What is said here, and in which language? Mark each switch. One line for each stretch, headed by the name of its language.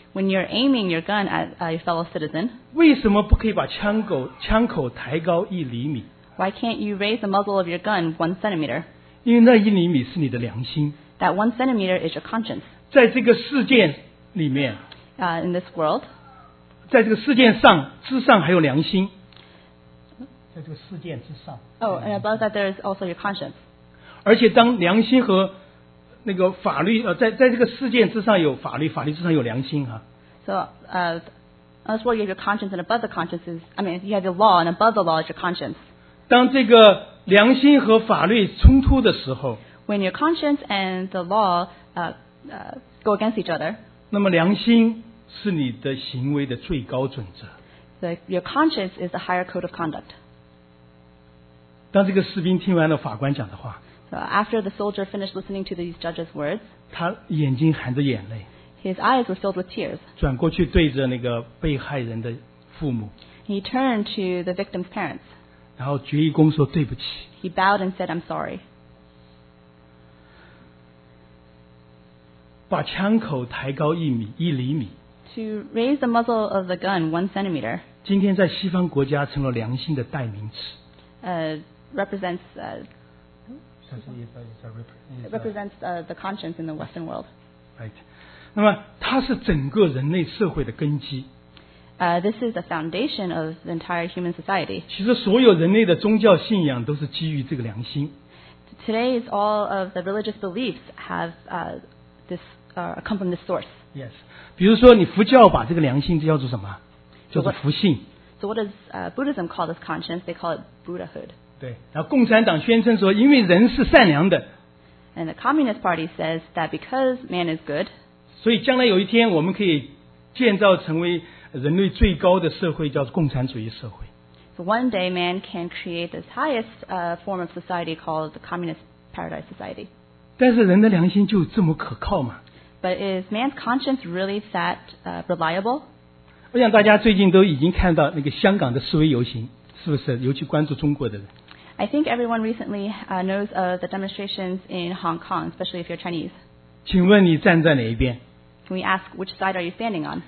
English: ，When you're aiming your gun at your fellow citizen，
Chinese: 为什么不可以把枪口抬高一厘米
English: ？Why can't you raise the muzzle of your gun 1 centimeter？
Chinese: 因为那一厘米是你的良心。
English: That 1 centimeter is your conscience.
Chinese: 在这个事件里面
English: ，In this world，
Chinese: 在这个事件上之上还有良心。在这个事件之上。
English: Oh, and above that, there is also your conscience.
Chinese: 而且当良心和那个法律在这个事件之上有法律，法律之上有良心啊。
English: So, as well, you have your conscience, and above the conscience is, I mean, you have your law, and above the law is your conscience.
Chinese: 当这个良心和法律冲突的时候
English: ，When your conscience and the law go against each other,
Chinese: 那么良心是你的行为的最高准则。
English: Your conscience is the higher code of conduct.
Chinese: 当这个士兵听完了法官讲的话
English: ，After the soldier finished listening to these judges' words，
Chinese: 他眼睛含着眼泪
English: ，His eyes were filled with tears。
Chinese: 转过去对着那个被害人的父母
English: ，He turned to the victim's parents。
Chinese: 然后鞠一躬说对不起
English: ，He bowed and said I'm sorry。
Chinese: 把枪口抬高一厘米
English: ，To raise the muzzle of the gun 1 centimeter。
Chinese: 今天在西方国家成了良心的代名词。
English: Represents the conscience in the Western world. Right.
Chinese: 那么它是整个人类社会的根基。
English: This is the foundation of the entire human society.
Chinese: 其实所有人类的宗教信仰都是基于这个良心。
English: Today's all of the religious beliefs have come from this source. Yes.
Chinese: 比如说你佛教把这个良心叫做什么？叫做福性。
English: So what does Buddhism call this conscience? They call it Buddhahood.
Chinese: 对，然后共产党宣称说，因为人是善良的。
English: And the Communist Party says that because man is good.
Chinese: 所以将来有一天我们可以建造成为人类最高的社会，叫共产主义社会。
English: So one day man can create this highest form of society called the Communist Paradise Society.
Chinese: 但是人的良心就这么可靠吗
English: ？But is man's conscience really that reliable?
Chinese: 我想大家最近都已经看到那个香港的示威游行，是不是？尤其关注中国的人。
English: I think everyone recently knows of the demonstrations in Hong Kong, especially if you're Chinese.
Chinese: 请问你站在哪一边？
English: Can we ask which side are you standing on?